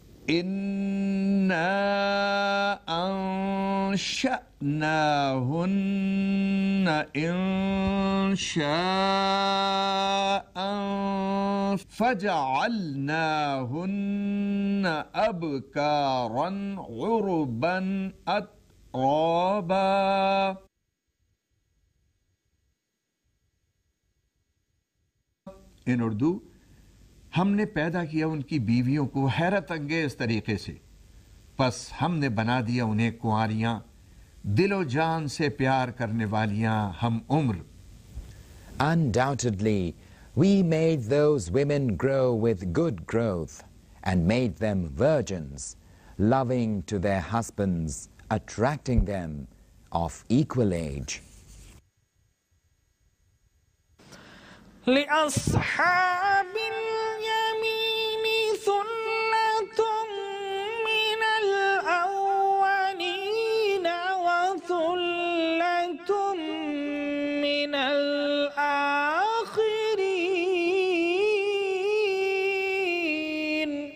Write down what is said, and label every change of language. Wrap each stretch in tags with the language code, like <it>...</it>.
<ar>إنا أنشأناهن إنشاء فجعلناهن أبكارا عربا أترابا.</ar> <en>In Urdu,</en> <ur>ہم نے پیدا کیا ان کی بیویوں کو حیرت انگیز طریقے سے, پس ہم نے بنا دیا انہیں کنواریاں, دل و جان سے پیار کرنے والیاں ہم عمر.</ur> <en>Undoubtedly, we made those women grow with good growth and made them virgins, loving to their husbands, attracting them of equal age.</en> <ar>لأصحاب اليمين ثلة من الأولين وثلة من الآخرين.</ar>